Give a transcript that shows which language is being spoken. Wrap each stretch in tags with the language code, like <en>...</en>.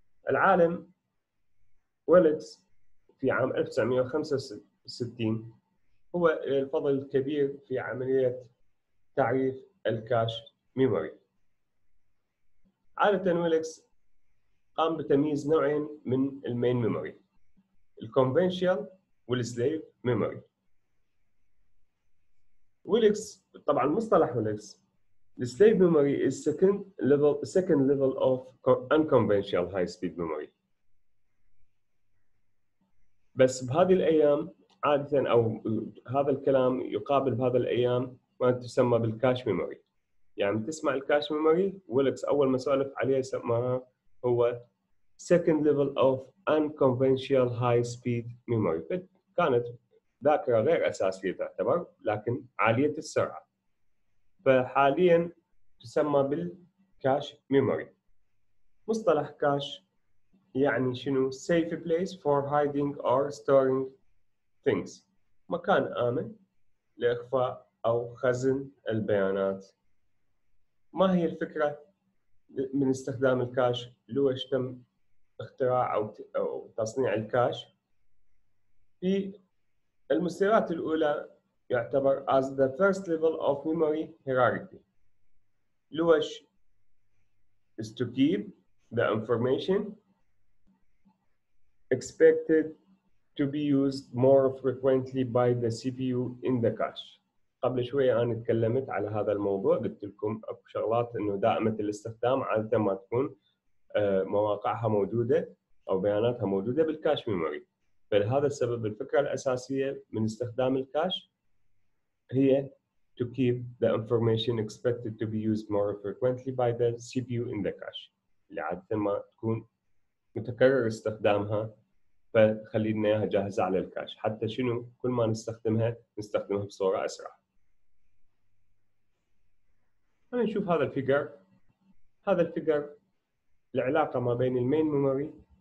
<ar>العالم ويلكس في عام 1965 هو الفضل الكبير في عملية تعريف الكاش ميموري. عادة ويلكس قام بتمييز نوعين من المين ميموري الكونفنشنال والسليف ميموري. ويلكس طبعا مصطلح ويلكس</ar> <en>slave memory is second level of unconventional high speed memory.</en> <ar>بس بهذه الأيام عادة أو هذا الكلام يقابل بهذا الأيام ما تسمى بالكاش ميموري. يعني تسمع الكاش ميموري ويلكس أول ما سألف عليه سماها هو</ar> <en>second level of unconventional high speed memory.</en> <ar>كانت ذاكرة غير أساسية تعتبر لكن عالية السرعة. فحاليا تسمى بالكاش ميموري. مصطلح كاش يعني شنو؟</ar> <en>safe place for hiding or storing things.</en> <ar>مكان آمن لإخفاء أو خزن البيانات. ما هي الفكرة من استخدام الكاش؟ لو اشتم اختراع أو تصنيع الكاش في المستويات الأولى يعتبر</ar> <en>as the first level of memory hierarchy.</en> <ar>لوش</ar> <en>is to keep the information expected to be used more frequently by the CPU in the cache.</en> <ar>قبل شوية أنا تكلمت على هذا الموضوع قلت لكم أكو شغلات إنه دائمة الاستخدام عادة ما تكون مواقعها موجودة أو بياناتها موجودة بالكاش ميموري. فلهذا السبب الفكرة الأساسية من استخدام الكاش هي</ar> <en>to keep the information expected to be used more frequently by the CPU in the cache.</en> <ar>اللي عادة ما تكون متكرر استخدامها فخلينا إياها جاهزة على الكاش. حتى شنو كل ما نستخدمها نستخدمها بصورة أسرع. خلينا نشوف هذا الفيجر. هذا الفيجر العلاقة ما بين المين ميموري.</ar>